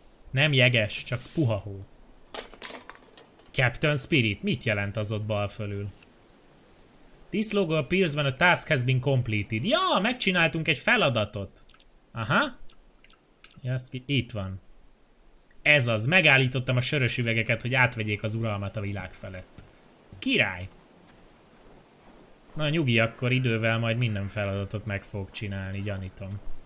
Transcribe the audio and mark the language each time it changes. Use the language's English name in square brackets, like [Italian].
[Hungarian] Nem jeges, csak puha hó. Captain Spirit, mit jelent az ott bal fölül? [English] This logo appears when a task has been completed. [Hungarian] Ja, megcsináltunk egy feladatot. Aha. Itt van. Ez az, megállítottam a sörös üvegeket, hogy átvegyék az uralmat a világ felett. Király. Na nyugi, akkor idővel majd minden feladatot meg fog csinálni, gyanítom.